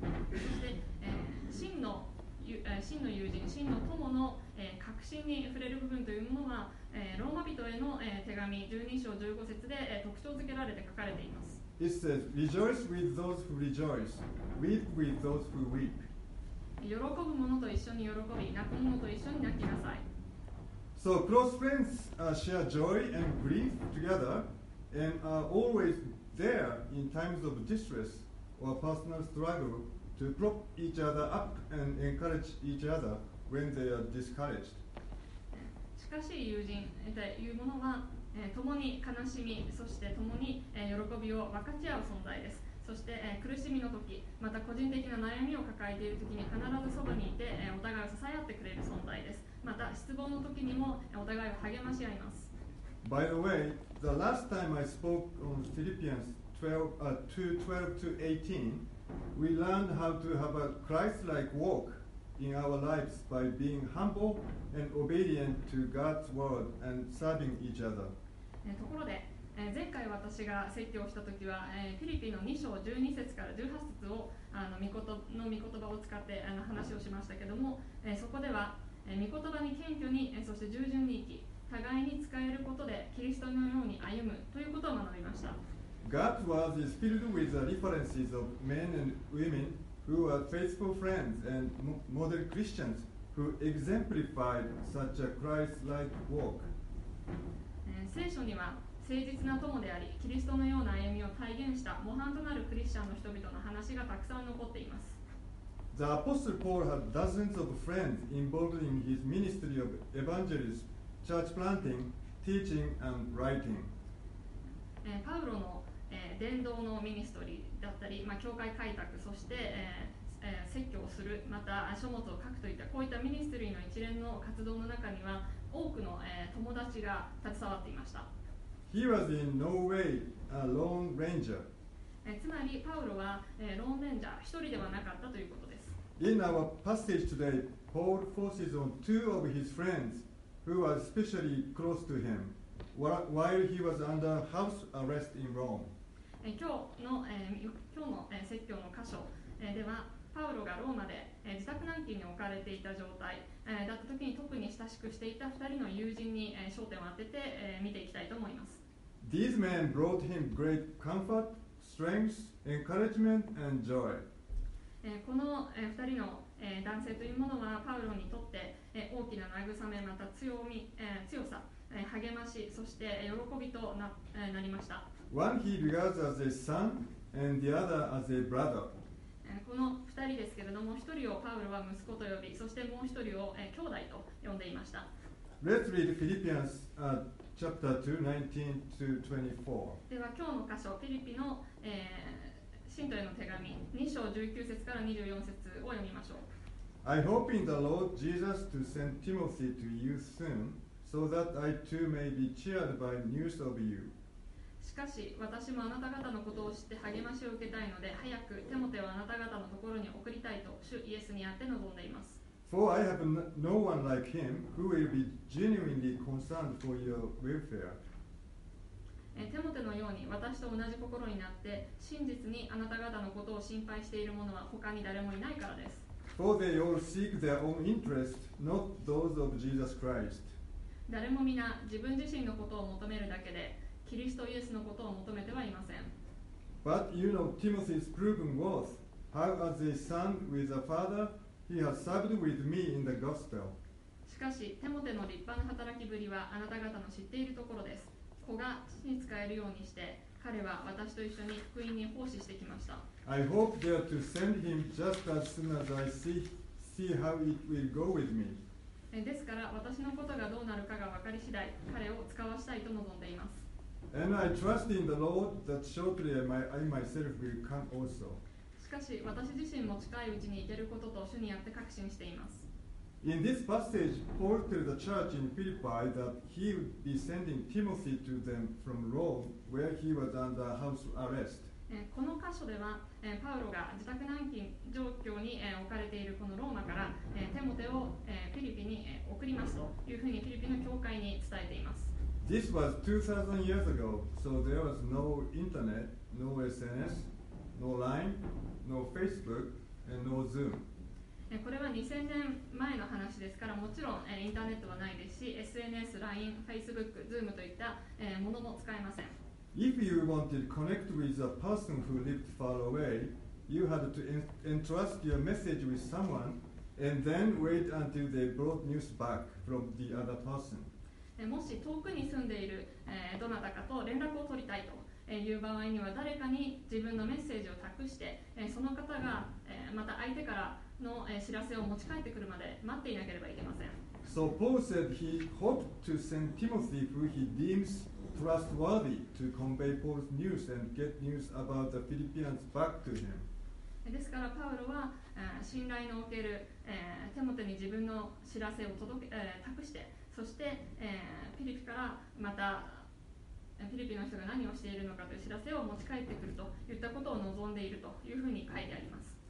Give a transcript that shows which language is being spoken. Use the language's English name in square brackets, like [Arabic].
[Japanese] そして、真の友人、真の友の確信に触れる部分というものは、ローマ人への手紙12章15節で特徴付けられて書かれています。 [English] It says, Rejoice with those who rejoice, weep with those who weep. [Japanese] 喜ぶ者と一緒に喜び、泣く者と一緒に泣きなさい。 [English] So close friends share joy and grief together and are always there in times of distress or personal struggle to prop each other up and encourage each other when they are discouraged. [Japanese] しかし友人というものは、共に悲しみ、そして共に喜びを分かち合う存在です。そして苦しみの時、また個人的な悩みを抱えている時に必ずそばにいて、お互いを支え合ってくれる存在です。また失望の時にもお互いを励まし合います。 [English] By the way, the last time I spoke on Philippians 2:12-18, we learned how to have a Christ-like walkin our lives by being humble and obedient to God's word and serving each other. [Japanese] ところで、前回私が説教したときは、フィリピンの2章12節から18節を御言葉を使って話をしましたけども、そこでは、御言葉に謙虚に、そして従順に生き、互いに仕えることでキリストのように歩むということを学びました。 [English] God's word is filled with the references of men and women. Who are faithful friends and model Christians who exemplified such a Christ-like walk? [Japanese] 聖書には誠実な友であり、キリストのような歩みを体現した模範となるクリスチャンの人々の話がたくさん残っています。 [English] The Apostle Paul had dozens of friends involved in his ministry of evangelism, church planting, teaching, and writing. [Japanese] パウロの伝道のミニストリーだったり、教会開拓、そして、説教をする、また書物を書くといった、こういったミニストリーの一連の活動の中には、多くの、友達が携わっていました。 [English] He was in no way a lone ranger. [Japanese] つまり、パウロは、ローンレンジャー、一人ではなかったということです。 [English] In our passage today, Paul forces on two of his friends who are especially close to him. While he was under house arrest in Rome. [Japanese] 今日の説教の箇所では、パウロがローマで自宅軟禁に置かれていた状態だった時に特に親しくしていた2人の友人に焦点を当てて見ていきたいと思います。 [English] These men brought him great comfort, strength, encouragement, and joy. [Japanese] この2人の男性というものはパウロにとって大きな慰め、また強さ、励まし、そして喜びと なりました。 [English] One he regards as a son, and the other as a brother. [Japanese] この2人ですけれども、1人をパウロは息子と呼び、そしてもう1人を兄弟と呼んでいました。 [English] Let's read Philippians chapter 2, 19 to 24. [Japanese] では今日の箇所、フィリピの、信徒への手紙、2章19節から24節を読みましょう。 [English] I hope in the Lord Jesus to send Timothy to you soon. So that I too may be cheered by news of you. [Japanese] しかし私もあなた方のことを知って励ましを受けたいので早くテモテをあなた方のところに送りたいと主イエスにあって望んでいます。 [English] For I have no one like him who will be genuinely concerned for your welfare. [Japanese] テモテのように私と同じ心になって真実にあなた方のことを心配している者は他に誰もいないからです。 [English] For they all seek their own interest, not those of Jesus Christ. [Japanese] 誰も皆自分自身のことを求めるだけでキリストイエスのことを求めてはいません。 [English] But you know Timothy's proven worth, how as a son with a father, he has served with me in the gospel. [Japanese] しかしテモテの立派な働きぶりはあなた方の知っているところです。子が父に仕えるようにして彼は私と一緒に福音に奉仕してきました。 [English] I hope there to send him just as soon as I see how it will go with me。 [Japanese] ですから私のことがどうなるかが分かり次第彼を使わしたいと望んでいます。 [English] And I trust in the Lord that shortly I myself will come also。 [Japanese] しかし私自身も近いうちに行けることと主にあって確信しています。 [English] In this passage, Paul told the church in Philippi that he would be sending Timothy to them from Rome, where he was under house arrest。 [Japanese] この箇所ではパウロが自宅軟禁状況に置かれているこのローマからテモテをフィリピに送りますというふうにフィリピの教会に伝えています。 [English] This was 2000 years ago, so there was no internet, no SNS, no LINE, no Facebook, and no Zoom。 [Japanese] これは2000年前の話ですから、もちろんインターネットはないですし、 SNS、LINE、Facebook、Zoom といったものも使えません。 [English] If you wanted to connect with a person who lived far away, you had to entrust your message with someone and then wait until they brought news back from the other person. [Japanese] もし遠くに住んでいるどなたかと連絡を取りたいという場合には、誰かに自分のメッセージを託して、その方がまた相手からの知らせを持ち帰ってくるまで待っていなければいけません。 [English] So Paul said he hoped to send Timothy who he deems trustworthy to convey Paul's news and get news about the Philippians back to him. [Japanese] ですからパウロは信頼のおけるテモテに自分の知らせを託して、そしてフィリピからまたフィリピの人が何をしているのかという知らせを持ち帰ってくるといったことを望んでいるというふうに書いてあります。